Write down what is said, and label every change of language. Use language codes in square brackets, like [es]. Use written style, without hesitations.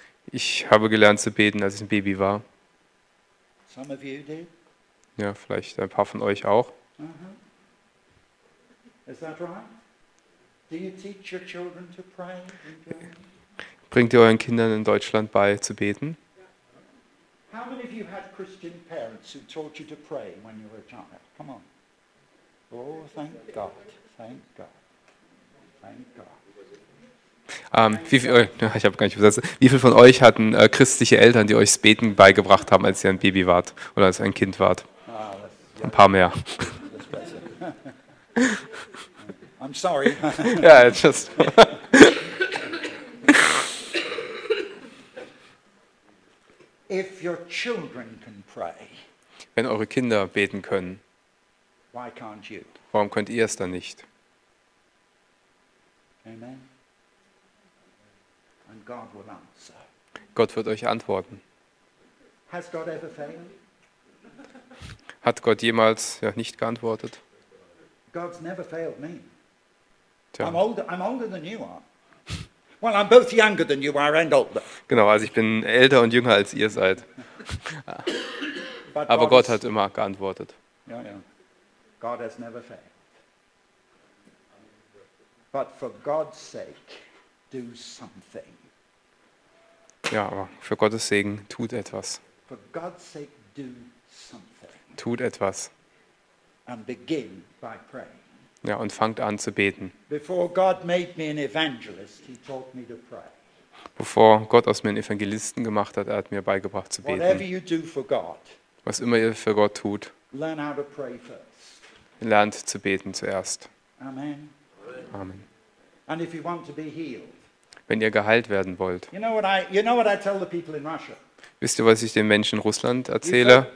[de] Ich habe gelernt zu beten, als ich ein Baby war. Ja, vielleicht ein paar von euch auch. Ist das richtig? [en] Do you teach your children to pray in Germany? [de] Bringt ihr euren Kindern in Deutschland bei zu beten? [en] How many of you had Christian parents who taught you to pray when you were a child? Come on. Oh, thank God. Thank God. Thank God. [de] Wie viele von euch hatten christliche Eltern, die euch das Beten beigebracht haben, als ihr ein Baby wart oder als ein Kind wart? Ein paar mehr. [en] I'm sorry. Yeah, it's just... If your children can pray, [de] wenn eure Kinder beten können, [en] why can't you? [de] Warum könnt ihr es dann nicht? [en] Amen. And God will answer. [de] Gott wird euch antworten. [en] Has God ever failed? [de] Hat Gott jemals ja, nicht geantwortet? [en] God's never failed me. I'm older than you are. Well, I'm both younger than you are and older. [de] Genau, also ich bin älter und jünger als ihr seid. Aber Gott hat immer geantwortet. [en] Yeah, yeah. God has never failed. But for God's sake, do something. [de] Ja, aber für Gottes Segen tut etwas. [en] For God's sake, do something. [de] Tut etwas. [en] And begin by praying. [de] Ja, und fangt an zu beten. Bevor Gott aus mir einen Evangelisten gemacht hat, er hat mir beigebracht zu beten. [en] Whatever you do for God, [de] was immer ihr für Gott tut, [en] learn how to pray first. [de] Lernt zu beten zuerst. [en] Amen. Amen. And if you want to be healed, [de] wenn ihr geheilt werden wollt, [en] you know what I tell the people in Russia? [de] Wisst ihr, was ich den Menschen in Russland erzähle?